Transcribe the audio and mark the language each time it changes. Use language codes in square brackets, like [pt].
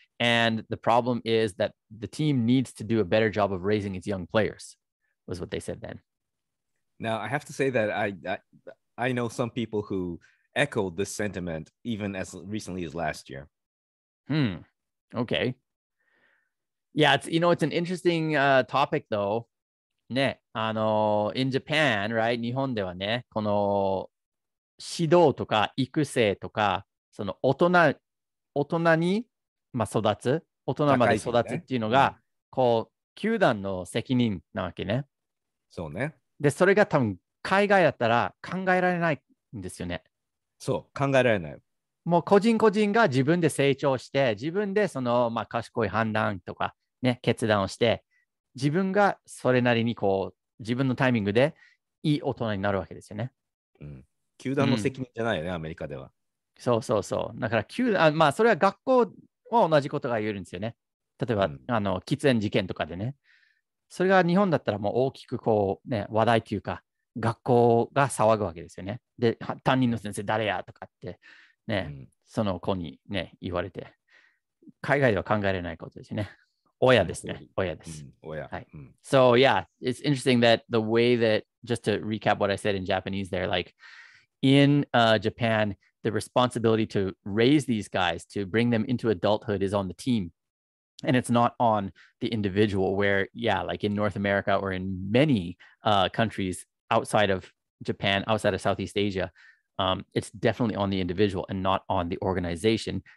[en] And the problem is that the team needs to do a better job of raising its young players, was what they said then. Now, I have to say that I know some people who echoed this sentiment even as recently as last year. Okay. Yeah, it's, you know, it's an interesting topic though. [ja] ね、あの、 [en] in Japan, right? [ja] 日本ではね、この指導とか育成とか、その大人に、まあ、育つ、大人まで育つっていうのが、ね、こう、球団の責任なわけね。そうね。で、それが多分、海外だったら考えられないんですよね。そう、考えられない。もう個人個人が自分で成長して、自分でその、まあ、賢い判断とか、ね、決断をして、自分がそれなりにこう自分のタイミングでいい大人になるわけですよね。うん、球団の責任じゃないよね、うん、アメリカでは。そうそうそう。だから球団、まあそれは学校は同じことが言えるんですよね。例えば、うん、あの喫煙事件とかでね。それが日本だったらもう大きくこうね、話題というか、学校が騒ぐわけですよね。で、担任の先生誰やとかってね、うん、その子にね、言われて。海外では考えられないことですよね。 Oya desu ne. Oya desu. Oya. [en] So yeah, it's interesting that the way that, just to recap what I said in Japanese there, like in Japan, the responsibility to raise these guys, to bring them into adulthood is on the team. And it's not on the individual where, yeah, like in North America or in many countries outside of Japan, outside of Southeast Asia, it's definitely on the individual and not on the organization.